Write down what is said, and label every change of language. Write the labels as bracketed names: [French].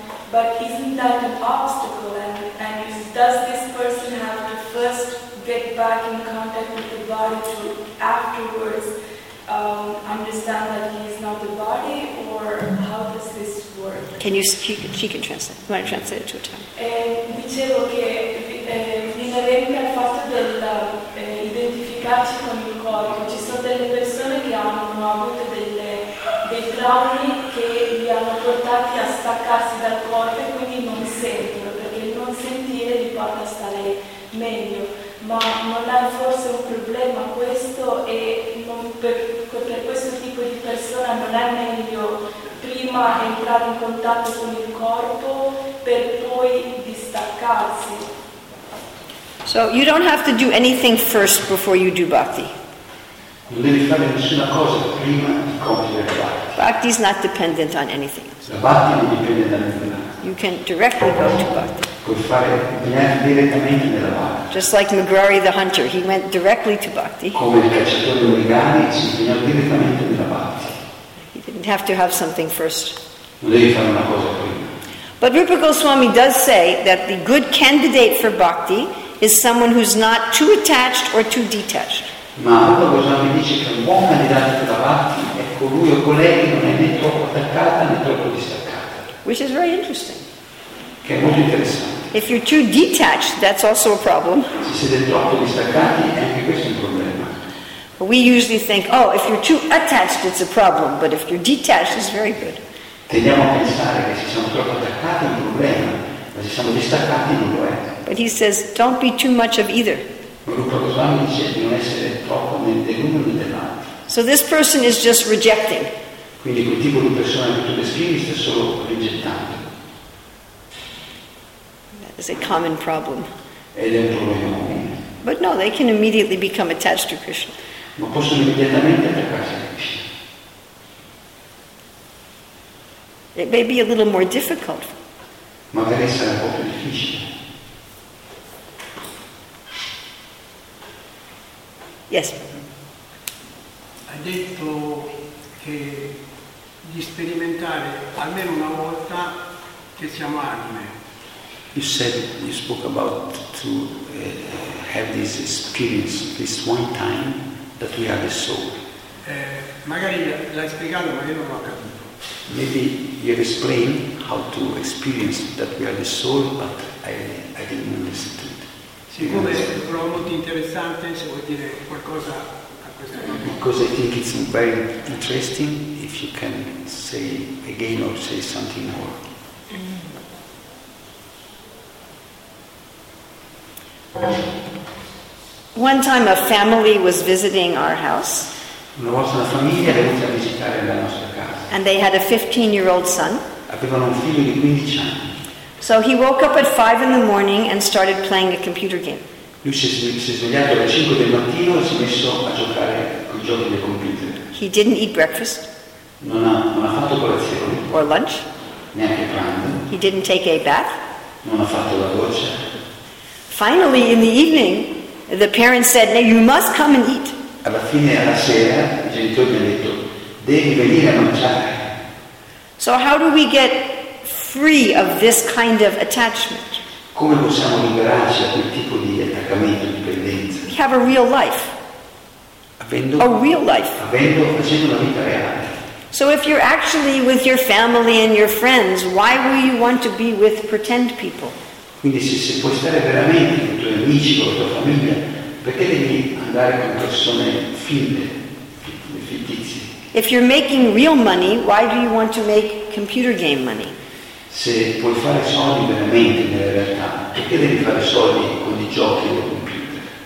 [English] But isn't that an obstacle? And does this person have to first get back in contact with the body to afterwards understand that he is not the body? Or how does this work? Can you, she can translate. You want to translate it to a time? [Italian] Dicevo che Nilarenka ha fatto identificarci con il corpo. Ci sono delle persone che hanno avuto dei traumi che li hanno portati a staccarsi dal corpo e quindi non sentono, perché il non sentire li porta a stare meglio. ma non hai forse un problema questo e non per questo tipo di persona non è meglio prima entrare in contatto con il corpo per poi distaccarsi. [English] So you don't have to do anything first before you do bhakti. [Italian] Non devi fare nessuna cosa prima di compiere bhakti. [English] Bhakti is not dependent on anything. [Italian] La bhakti non dipende da nulla. [English] You can directly go to bhakti. [Italian] Puoi fare direttamente nella bhakti. [English] Just like Magrari the hunter, he went directly to bhakti. [Italian] Come il cacciatore di Magrari, si impegnò direttamente nella bhakti. [English] He didn't have to have something first. [Italian] Non devi fare una cosa prima. [English] But Rupa Goswami does say that the good candidate for bhakti is someone who's not too attached or too detached. [Italian] Ma Rupa Goswami dice che un buon candidato per la bhakti è colui o colei che non è né troppo attaccata né troppo distaccata. [English] Which is very interesting. [Italian] Che è molto interessante. [English] If you're too detached, that's also a problem. [Italian] Se siete troppo distaccati, anche questo è un problema. [English] But we usually think, oh, if you're too attached, it's a problem. But if you're detached, it's very good. [Italian] Tendiamo a pensare che se siamo troppo attaccati è un problema, ma se siamo distaccati non lo è. [English] But he says, don't be too much of either. [Italian] Rupa Goswami dice di non essere troppo nell'uno né nell'altro. [English] So this person is just rejecting. [Italian] Quindi quel tipo di persona che tu descrivi sta solo rigettando. That is a common problem. Ed è un problema comune. [English] But no, they can immediately become attached to Krishna. [Italian] Ma possono immediatamente attaccarsi a Krishna. [English] It may be a little more difficult. [Italian] Ma per essere un po' più difficile. [English] Yes. [Italian] Hai detto che di sperimentare almeno una volta che siamo anime. [English] You said, you spoke about to have this experience this one time that we are the soul. [Italian] Magari l'hai spiegato ma io non l'ho capito. [English] Maybe you have explained how to experience that we are the soul, but I didn't listen to it. [Italian] Siccome è molto interessante, se vuoi dire qualcosa a questo punto. [English] Because I think it's very interesting if you can say again or say something more. One time a family was visiting our house. [Italian] Una volta la famiglia è venuta a visitare la nostra casa. [English] And they had a 15-year-old son. [Italian] Avevano un figlio di 15 anni. [English] So he woke up at 5 in the morning and started playing a computer game. [Italian] Lui si è svegliato alle 5 del mattino e si è messo a giocare con i giochi del computer. [English] He didn't eat breakfast. [Italian] Non ha fatto colazione. [English] Or lunch. [Italian] Neanche pranzo. [English] He didn't take a bath. [Italian] Non ha fatto la doccia. [English] Finally, in the evening, the parents said, "Now you must come and eat." [Italian] Alla fine, alla sera, i genitori gli hanno detto, devi venire a mangiare. [English] So how do we get free of this kind of attachment? [Italian] Come possiamo liberarci da quel tipo di attaccamento, dipendenza? [English] We have a real life. [Italian] Avendo, [English] a real life. [Italian] Avendo, facendo una vita reale. [English] So if you're actually with your family and your friends, why will you want to be with pretend people? [Italian] Quindi se puoi stare veramente con i tuoi amici, con la tua famiglia, perché devi andare con persone finte, fittizie? [English] If you're making real money, why do you want to make computer game money? [Italian] Se puoi fare soldi veramente nella realtà, perché devi fare soldi con i giochi e il computer?